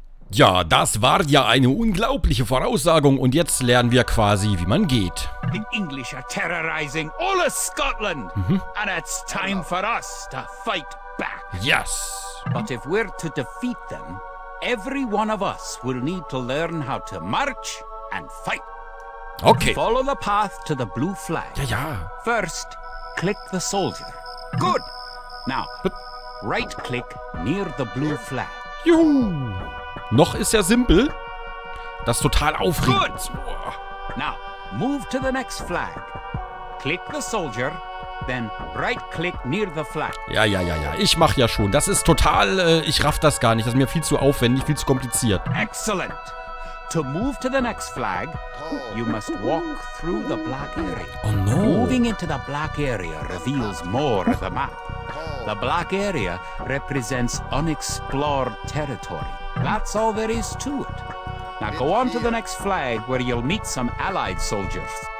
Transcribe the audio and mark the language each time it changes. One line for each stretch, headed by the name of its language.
German: Ja, das war ja eine unglaubliche Voraussagung und jetzt lernen wir quasi, wie man geht.
English: The English are terrorizing all of Scotland. Mhm. And it's time for us to fight back. Yes. But if we're to defeat them, every one of us will need to learn how to march and fight. Okay. Follow the path to the blue flag.
German: Ja, ja.
English: First, click the soldier. Good. Now, right click near the blue flag.
German: Juhu. Noch ist ja simpel. Das ist total aufregend.
English: Good. Now, move to the next flag. Click the soldier, then right click near the flag.
German: Ja, ja, ja, ja. Ich mach ja schon. Das ist total, ich raff das gar nicht. Das ist mir viel zu aufwendig, viel zu kompliziert.
English: Excellent. To move to the next flag, you must walk through the black area. Oh no. Moving into the black area reveals more of the map. The black area represents unexplored territory. That's all there is to it. Now go on to the next flag where you'll meet some allied soldiers.